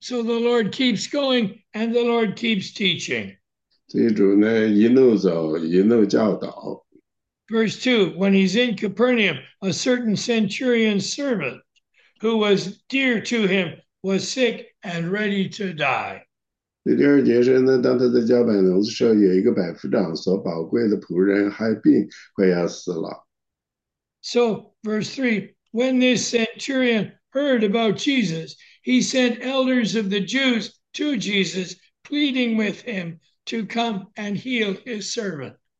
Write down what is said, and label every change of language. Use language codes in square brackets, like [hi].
[en] So the Lord keeps going and the Lord keeps teaching. [zh] 所以主呢，一路走，一路教导。 [en] Verse 2, when he's in Capernaum, a certain centurion's servant who was dear to him was sick and ready to die. [zh] 第2节说呢，当他在加百农的时候，有一个百夫长所宝贵的仆人害病，快要死了。 [en] So, verse 3, when this centurion heard about Jesus, he sent elders of the Jews to Jesus, pleading with him to come and heal his servant.